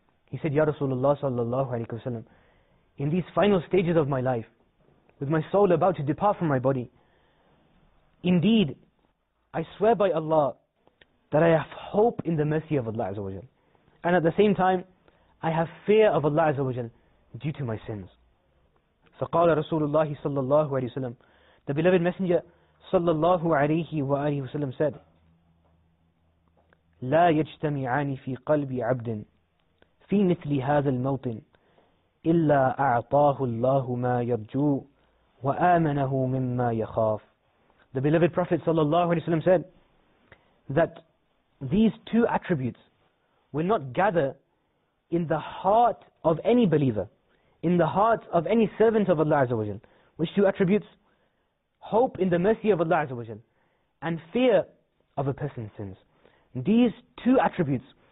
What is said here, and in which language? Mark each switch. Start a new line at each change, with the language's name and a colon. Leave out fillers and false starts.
English: He said, ya Rasulullah sallallahu alayhi wa sallam, in these final stages of my life, with my soul about to depart from my body, indeed, I swear by Allah that I have hope in the mercy of Allah Azza wa Jal. And at the same time, I have fear of Allah Azza wa Jal due to my sins.
Arabic: فَقَالَ رَسُولُ اللَّهِ صَلَّى اللَّهُ عَلَيْهِ وَسَلَّمْ.
English: The beloved Messenger
Arabic: صَلَّى اللَّهُ عَلَيْهِ وَآلِهِ وَسَلَّمْ
English: said,
Arabic: لَا يَجْتَمِعَانِ فِي قَلْبِ عَبْدٍ فِي مِثْلِ هَذَا الْمَوْطِنْ إِلَّا أَعْطَاهُ اللَّهُ مَا يَرْجُوْ وَآمَنَهُ مِمَّا يَخَافُ.
English: The beloved Prophet sallallahu alayhi wa sallam said that these two attributes will not gather in the heart of any believer, in the heart of any servant of Allah Azza wa Jal. Which two attributes? Hope in the mercy of Allah Azza wa Jal and fear of a person's sins. These two attributes